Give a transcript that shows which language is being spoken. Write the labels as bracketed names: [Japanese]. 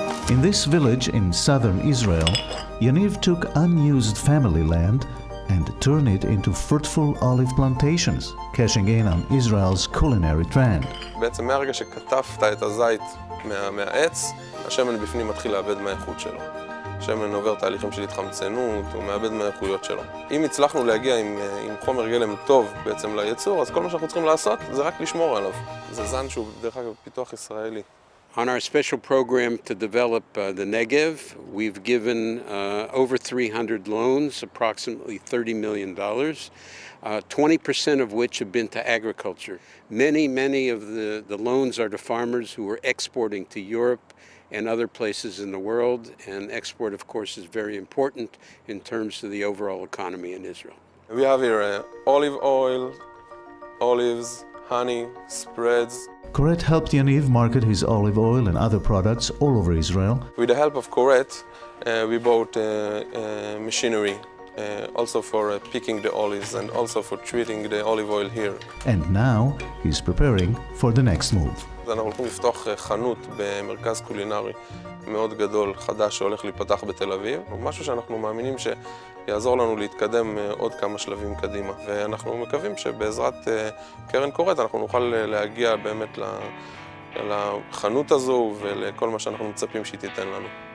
[English] In this village in southern Israel, Yaniv took unused family land and turned it into fruitful olive plantations, cashing in on Israel's culinary trend. [Hebrew] בעצם מהרגע שקטפת את הזית מהעץ, השמן בפנים מתחיל לאבד מהאיכות שלו. שמן עובר תהליכים של התחמצנות, הוא מאבד מהאיכויות שלו. אם הצלחנו להגיע עם חומר גלם טוב בעצם ליצור, אז כל מה שאנחנו צריכים לעשות זה רק לשמור עליו. זה זן שהוא דרך אגב פיתוח ישראלי. [English] On our special program to develop the Negev, we've given over 300 loans, approximately $30 million, 20% of which have been to agriculture. Many, many of the loans are to farmers who are exporting to Europe and other places in the world, and export, of course, is very important in terms of the overall economy in Israel. We have here olive oil, olives, honey, spreads. Koret helped Yaniv market his olive oil and other products all over Israel. With the help of Koret, we bought machinery, also for picking the olives and also for treating the olive oil here. And now he's preparing for the next move. [Hebrew] אנחנו הולכים לפתוח חנות במרכז קולינרי מאוד גדול, חדש, שהולך להיפתח בתל אביב. משהו שאנחנו מאמינים שיעזור לנו להתקדם עוד כמה שלבים קדימה. ואנחנו מקווים שבעזרת קרן קורת אנחנו נוכל להגיע באמת לחנות הזו ולכל מה שאנחנו מצפים שהיא תיתן לנו.